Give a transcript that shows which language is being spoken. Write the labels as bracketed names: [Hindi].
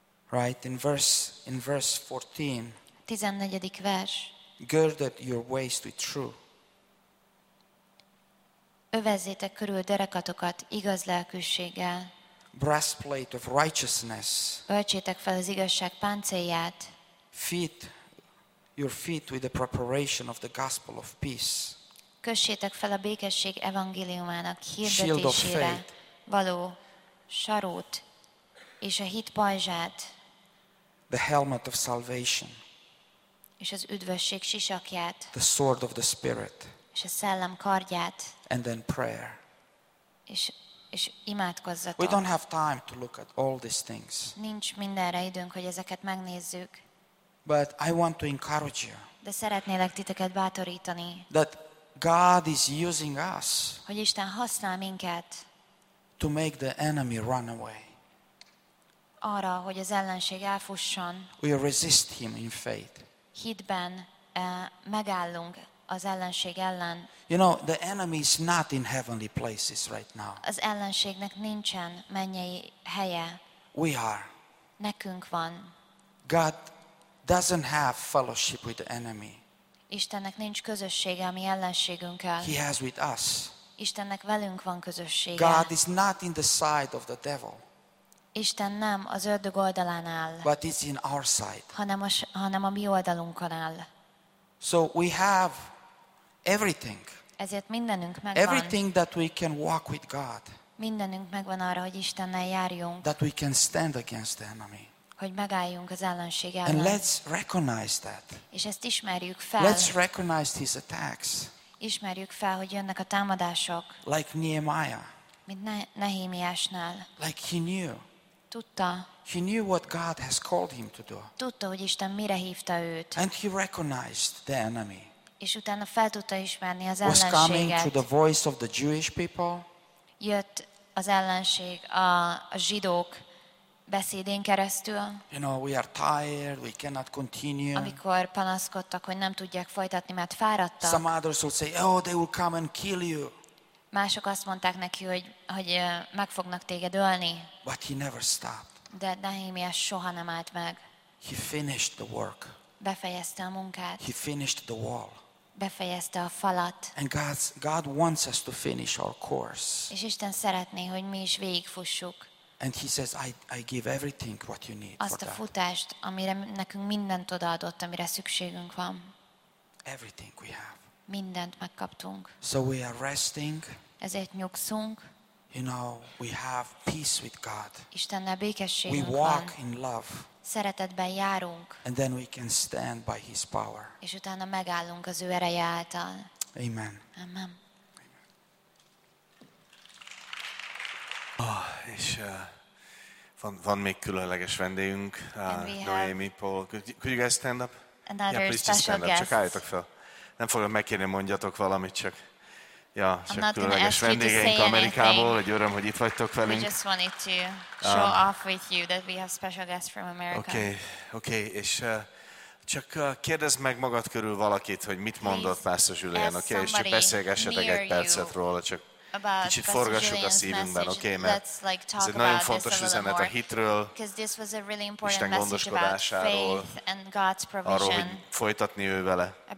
[English] Right, in verse 14. [Hungarian] 14. vers. [English] Girded your waist with truth. [Hungarian] Övezzétek körül derekatokat igaz lelkűséggel. [English] Breastplate of righteousness. [Hungarian] Öltsétek fel az igazság páncélját. [English] Your feet with the preparation of the gospel of peace. [Hungarian] Kössétek fel a békesség evangéliumának hirdetésére való sarót és a hit pajzsát. [English] The helmet of salvation. [Hungarian] És az üdvösség sisakját. [English] The sword of the spirit. [Hungarian] És a szellem kardját. [English] And then prayer. [Hungarian] És imádkozzatok. [English] We don't have time to look at all these things. [Hungarian] Nincs mindenre időnk, hogy ezeket megnézzük. [English] But I want to encourage you. [Hungarian] De szeretnélek titeket bátorítani. [English] That God is using us. [Hungarian] Hogy Isten használ minket. [English] To make the enemy run away. [Hungarian] Arra, hogy az ellenség elfusson. [English] We resist him in faith. [Hungarian] Hitben megállunk. Az ellenség ellen. [English] You know, the enemy is not in heavenly places right now. [Hungarian] Az ellenségnek nincsen mennyei helye. [English] We are. [Hungarian] Nekünk van. [English] God doesn't have fellowship with the enemy. [Hungarian] Istennek nincs közössége a mi ellenségünkkel. [English] He has with us. [Hungarian] Istennek velünk van közössége. [English] God is not in the side of the devil. [Hungarian] Isten nem az ördög oldalán áll. [English] But it's in our side. [Hungarian] Hanem a mi oldalunkon áll. [English] So we have everything. [Hungarian] Ezért mindenünk megvan. [English] Everything that we can walk with God. [Hungarian] Mindenünk megvan arra, hogy Istennel járjunk. [English] That we can stand against the enemy. [Hungarian] Hogy megálljunk az ellenség ellen. [English] And let's recognize that. [Hungarian] És ezt ismerjük fel. [English] Let's recognize his attacks. [Hungarian] Ismerjük fel, hogy jönnek a támadások. [English] Like Nehemiah. [Hungarian] Mint Nehémiásnál. [English] Like he knew. [Hungarian] Tudta. [English] He knew what God has called him to do. [Hungarian] Tudta, hogy Isten mire hívta őt. [English] And he recognized the enemy. [Hungarian] És utána fel tudta ismerni az [English] was [Hungarian] ellenséget. [English] Was coming to the voice of the Jewish people. [Hungarian] Jött az ellenség a zsidók beszédén keresztül. [English] You know, we are tired, we cannot continue. [Hungarian] Amikor panaszkodtak, hogy nem tudják folytatni, mert fáradtak. [English] Some others would say, oh, they will come and kill you. [Hungarian] Mások azt mondták neki, hogy meg fognak téged ölni. [English] But he never stopped. [Hungarian] De Nehémiás soha nem állt meg. [English] He finished the work. [Hungarian] Befejezte a munkát. [English] He finished the wall. [Hungarian] Befejezte a falat. [English] And God wants us to finish our course. [Hungarian] És Isten szeretné, hogy mi is végigfussuk. [English] And he says, I give everything what you need. [Hungarian] Azt a futást, amire nekünk mindent odaadott, amire szükségünk van. [English] Everything we have. [Hungarian] Mindent megkaptunk. [English] So we are resting. [Hungarian] Ezért nyugszunk. [English] You know, we have peace with God. [Hungarian] Istennel békességünk van. [English] We walk [Hungarian] van. [English] In love. [Hungarian] Szeretetben járunk. [English] And then we can stand by his power. [Hungarian] És utána megállunk az ő ereje által. [English] Amen. [Hungarian] Amen. Oh, és van még különleges vendégünk, Noémi, Paul. [English] Could you guys stand up? Yeah, please just stand guest. Up. [Hungarian] Csak álljatok fel. Nem fogom megkérni, mondjatok valamit, csak. Ja, csak különleges vendégeink Amerikából. Egy öröm, hogy itt vagytok velünk. [English] We just wanted to show off with you that we have special guests from America. [Hungarian] Okay, és csak kérdezd meg magad körül valakit, hogy mit mondott Pásztor Julián, oké? Okay? És csak beszélgessetek egy percet róla, csak. Kicsit forgassuk a szívünkben, oké, mert ez egy nagyon fontos üzenet a hitről, Isten gondoskodásáról, arról, hogy folytatni ő vele.